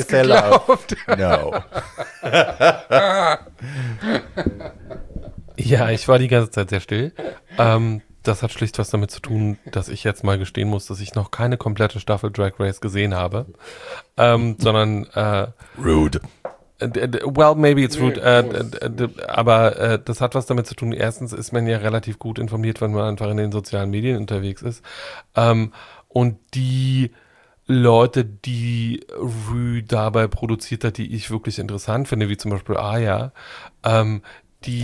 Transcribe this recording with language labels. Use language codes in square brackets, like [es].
[de] ich hab das geglaubt. [en] No. [de] Ja, ich war die ganze Zeit sehr still. Das hat schlicht was damit zu tun, dass ich jetzt mal gestehen muss, dass ich noch keine komplette Staffel Drag Race gesehen habe, sondern [en] rude. Well, maybe it's rude, [de] aber das hat was damit zu tun. Erstens ist man ja relativ gut informiert, wenn man einfach in den sozialen Medien unterwegs ist. Und die Leute, die Rue dabei produziert hat, die ich wirklich interessant finde, wie zum Beispiel Aja, die...